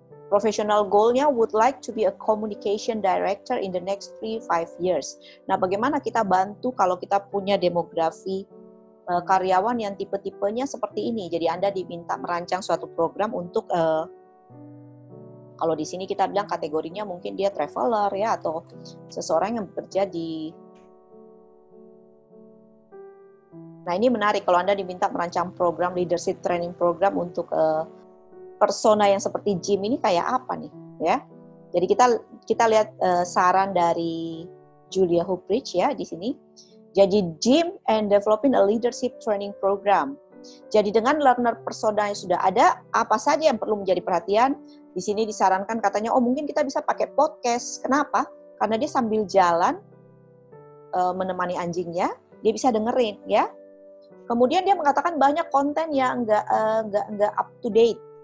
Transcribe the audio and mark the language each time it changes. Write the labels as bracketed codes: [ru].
[en] Professional goal-nya would like to be a communication director in the next 3-5 years. [id] Nah, bagaimana kita bantu kalau kita punya demografi karyawan yang tipe-tipenya seperti ini? Jadi, Anda diminta merancang suatu program untuk, kalau di sini kita bilang kategorinya mungkin dia traveler ya, atau seseorang yang bekerja di... Nah, ini menarik kalau Anda diminta merancang program, leadership training program untuk persona yang seperti Jim ini kayak apa nih, ya. Jadi kita lihat saran dari Julia Hubridge ya di sini. Jadi, [en] Jim and developing a leadership training program. [id] Jadi, dengan learner persona yang sudah ada, apa saja yang perlu menjadi perhatian? Di sini disarankan katanya, oh mungkin kita bisa pakai podcast. Kenapa? Karena dia sambil jalan menemani anjingnya, dia bisa dengerin, ya. Kemudian dia mengatakan banyak konten yang enggak up to date.